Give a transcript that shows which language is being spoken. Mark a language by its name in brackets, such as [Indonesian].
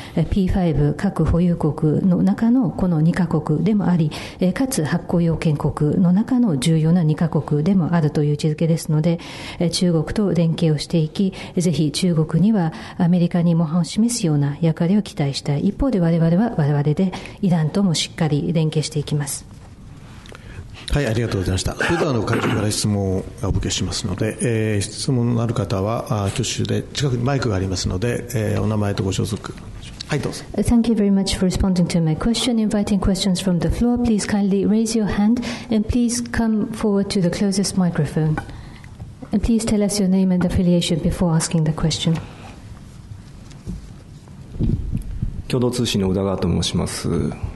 [Japanese] P5 核保有国の中のこの2カ国でもあり、かつ発行要件国の中の重要な2カ国でもあるという位置づけですので、中国と連携をしていき、ぜひ中国にはアメリカに模範を示すような役割を期待したい。一方で我々は我々でイランともしっかり連携していきます。はい、ありがとうございました。それでは会長から質問をお受けしますので、質問のある方は挙手で、近くにマイクがありますので、お名前とご所属。はい、どうぞ。 [English] Thank you very much for responding to my question. Inviting questions from the floor, please kindly raise your hand and please come forward to the closest microphone. And please tell us your name and affiliation before asking the question. [Japanese] 共同通信の宇田川と申します。